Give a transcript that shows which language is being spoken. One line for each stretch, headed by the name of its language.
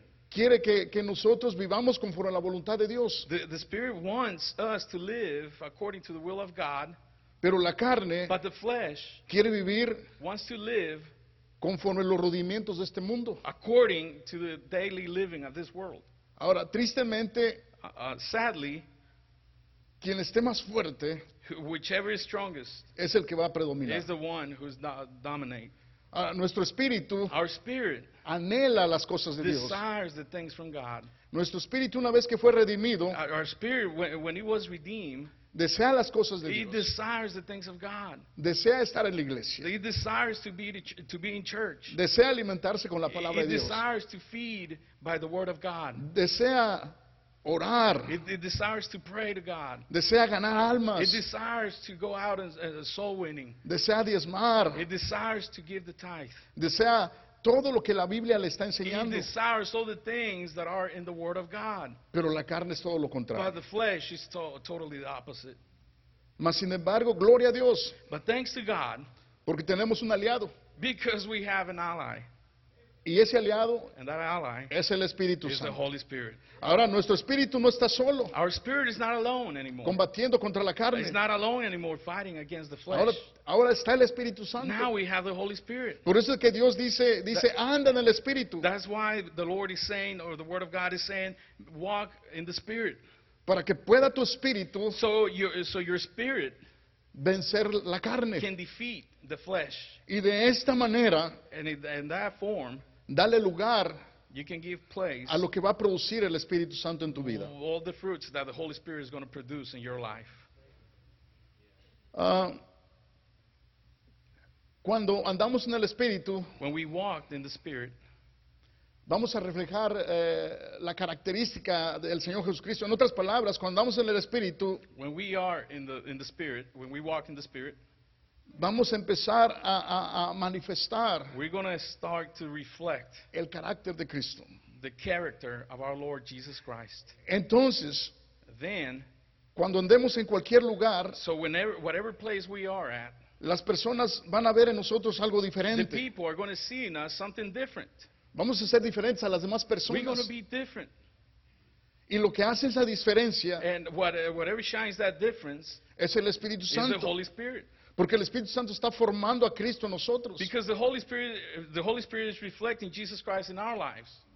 Spanish: quiere que nosotros vivamos conforme a la voluntad de Dios.
English: The Spirit wants us to live according to the will of God.
Spanish: Pero la carne,
English: but the flesh,
Spanish: quiere vivir
English: wants to live
Spanish: conforme a los rudimientos de este mundo.
English: According to the daily living of this world.
Spanish: Ahora, tristemente,
English: sadly,
Spanish: quien esté más fuerte,
English: whichever is strongest,
Spanish: es el que va a predominar.
English: Is the one who's dominate.
Spanish: Nuestro espíritu,
English: our spirit,
Spanish: anhela las cosas de Dios.
English: Desires the things from God.
Spanish: Nuestro espíritu, una vez que fue redimido,
English: our spirit, when he was redeemed,
Spanish: desea las cosas de
English: he
Spanish: Dios.
English: He desires the things of God.
Spanish: Desea estar en la iglesia.
English: He desires to be in church.
Spanish: Desea alimentarse con la palabra
English: he
Spanish: de Dios.
English: He desires to feed by the word of God.
Spanish: Desea orar.
English: He desires to pray to God.
Spanish: Desea ganar almas.
English: He desires to go out and soul winning.
Spanish: Desea diezmar.
English: He desires to give the tithe.
Spanish: Desea todo lo que la Biblia le está enseñando.
English: He desires all the things that are in the Word of God.
Spanish: Pero la carne es todo lo contrario.
English: But the flesh is totally the opposite.
Spanish: Mas sin embargo, gloria a Dios.
English: But thanks to God.
Spanish: Porque tenemos un aliado.
English: Because we have an ally.
Spanish: Y ese aliado
English: and that ally
Spanish: es el Espíritu
English: is
Spanish: Santo.
English: The Holy Spirit.
Spanish: Ahora, nuestro espíritu no está solo.
English: Our spirit is not alone anymore.
Spanish: Combatiendo contra la carne.
English: It's not alone anymore fighting against the flesh.
Spanish: Ahora está el Espíritu Santo.
English: Now we have the Holy Spirit.
Spanish: Por eso es que Dios dice anda en el Espíritu.
English: That's why the Lord is saying, or the Word of God is saying, walk in the Spirit.
Spanish: Para que pueda tu espíritu
English: so your spirit
Spanish: vencer la carne.
English: Can defeat the flesh.
Spanish: Y de esta manera,
English: in that form,
Spanish: dale lugar
English: you can give place
Spanish: a lo que va a producir el Espíritu Santo en tu vida.
English: All the fruits that the Holy Spirit is going to produce in your life.
Spanish: Cuando andamos en el Espíritu,
English: when we walk in the Spirit,
Spanish: vamos a reflejar la característica del Señor Jesucristo. En otras palabras, cuando andamos en el Espíritu,
English: when we are in the Spirit, when we walk in the Spirit,
Spanish: vamos a empezar a manifestar
English: we're going to start to reflect
Spanish: el carácter de Cristo.
English: The character of our Lord Jesus Christ.
Spanish: Entonces,
English: then,
Spanish: cuando andemos en cualquier lugar,
English: so whenever, whatever place we are at,
Spanish: las personas van a ver en nosotros algo diferente.
English: The people are going to see in us something different.
Spanish: Vamos a ser diferentes a las demás personas.
English: We're going to be different.
Spanish: Y lo que hace esa diferencia,
English: and whatever shines that difference,
Spanish: es el Espíritu Santo.
English: Is the Holy Spirit.
Spanish: Porque el Espíritu Santo está formando a Cristo en nosotros.
English: Because the Holy Spirit is reflecting Jesus Christ in our lives.